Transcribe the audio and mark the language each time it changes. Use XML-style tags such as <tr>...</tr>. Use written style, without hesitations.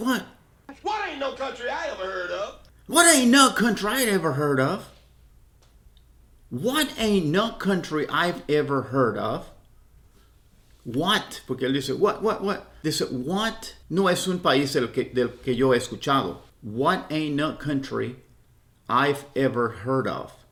<en>What ain't no country I ever heard of? What ain't no country I ever heard of? What ain't no country I've ever heard of?</en> <es>What? Porque él dice, what? Dice, what? No es un país del que yo he escuchado.</es> <en>What ain't no country I've ever heard of?</en>